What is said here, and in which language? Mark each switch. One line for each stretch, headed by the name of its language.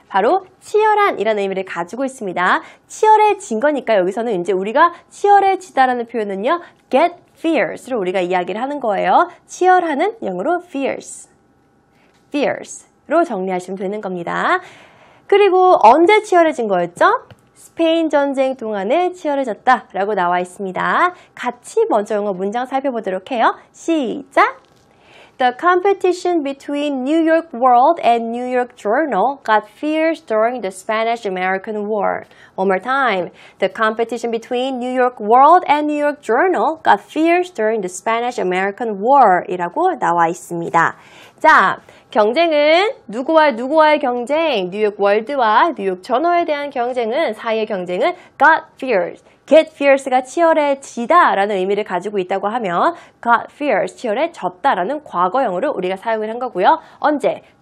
Korean: 바로 치열한이라는 의미를 가지고 있습니다. 치열해진 거니까 여기서는 이제 우리가 치열해지다라는 표현은요, get fierce로 우리가 이야기를 하는 거예요. 치열하는 영어로 fierce, fierce로 정리하시면 되는 겁니다. 그리고 언제 치열해진 거였죠? 스페인 전쟁 동안에 치열해졌다라고 나와 있습니다. 같이 먼저 영어 문장 살펴보도록 해요. 시작!
English: The competition between New York World and New York Journal got fierce during the Spanish-American War. One more time. The competition between New York World and New York Journal got fierce during the Spanish-American War.
Korean: 이라고 나와 있습니다. 자, 경쟁은 누구와 누구와의 경쟁? 뉴욕 월드와 뉴욕 저널에 대한 경쟁은, 사이의 경쟁은 got fierce. Get fierce가 치열해지다라는 의미를 가지고 있다고 하면 got fierce, 치열해졌다라는 과거형으로 우리가 사용을 한 거고요. 언제?